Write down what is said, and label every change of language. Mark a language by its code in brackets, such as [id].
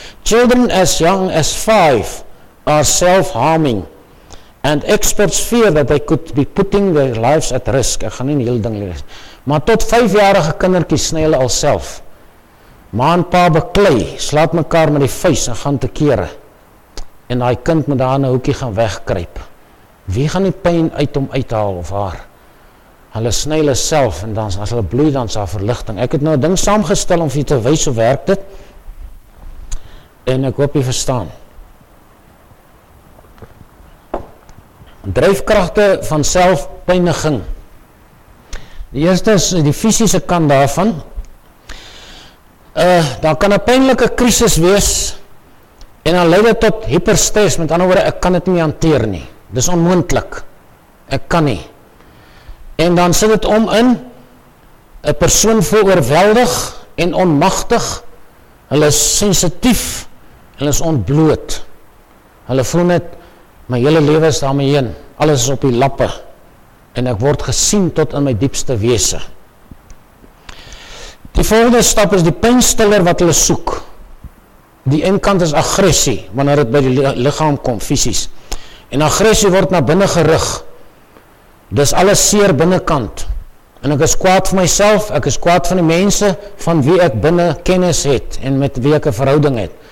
[en] Children as young as 5 are self-harming and experts fear that they could be putting their lives at risk. [af] Ek gaan nie die hele ding lees. Maar tot 5-jarige kindertjies sny hulle al self. Ma en pa beklei, slaat mekaar met die vuist en gaan te kere. En die kind moet daar in 'n hoekie gaan wegkruip. Wie gaan die pyn uit hom uithaal of haar? Hulle sny hulle self, en dan as hulle bloei, dan is haar verligting. Ek het nou ding saamgestel om vir jy te wys hoe werk dit, en ek hoop jy verstaan. Drijfkragte van selfpyniging. Die eerste is die fisiese kant daarvan. Daar kan 'n pynlike krisis wees, en dan leid dit tot hyperstress, met ander woorde, ek kan dit nie hanteer nie. Dis onmoontlik. Ek kan nie. En dan sit het om in, 'n persoon voel oorweldig en onmagtig, hulle is sensitief Hulle is ontbloot. Hulle voel net, my hele lewe is daarmee heen. Alles is op die lappe. En ek word gesien tot in my diepste wese. Die volgende stap is die pynstiller wat hulle soek. Die een kant is agressie, wanneer het by die lichaam kom, fysies. En agressie word na binnen gerig. Dis alles seer binnenkant. En ek is kwaad vir myself, ek is kwaad vir die mense, van wie ek binnen kennis het, en met wie ek een verhouding het.